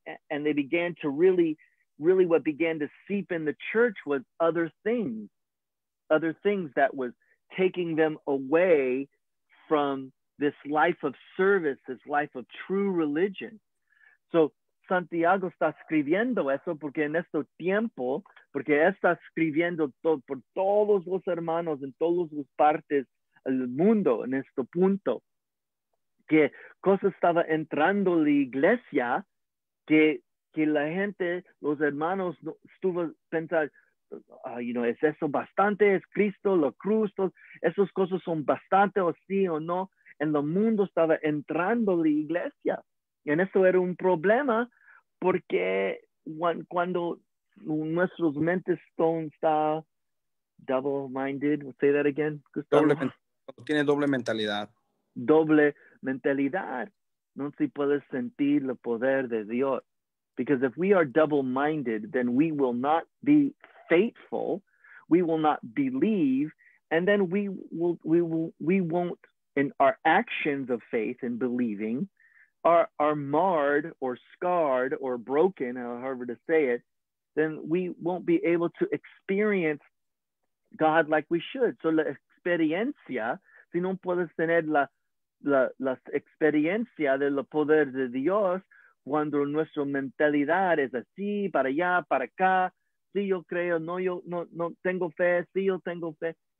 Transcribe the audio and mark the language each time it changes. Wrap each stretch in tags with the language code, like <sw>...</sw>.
<en>and they began to really what began to seep in the church was other things that was taking them away from this life of service, this life of true religion.</en> <es>So Santiago está escribiendo eso porque en este tiempo, porque está escribiendo por todos los hermanos en todas las partes del mundo en este punto, que cosa estaba entrando la iglesia, que la gente, los hermanos, estuvo pensando,</es> <en>you know,</en> <es>¿es eso bastante? ¿Es Cristo? ¿La cruz? ¿Esas cosas son bastante o sí o no? En el mundo estaba entrando la iglesia. Y en eso era un problema porque cuando nuestros mentes están</es> <en>double-minded, say that again,</en> <es>Gustavo. Tiene doble mentalidad. Doble mentalidad. No se puede sentir el poder de Dios.</es> <en>Because if we are double-minded, then we will not be faithful, we will not believe, and then we won't, in our actions of faith and believing, are marred or scarred or broken, however to say it, then we won't be able to experience God like we should.</en> <es>So la experiencia, si no puedes tener la experiencia del poder de Dios, cuando nuestra mentalidad es así, para allá, para acá, sí, yo creo, no, yo no tengo fe, sí, yo tengo fe.</es>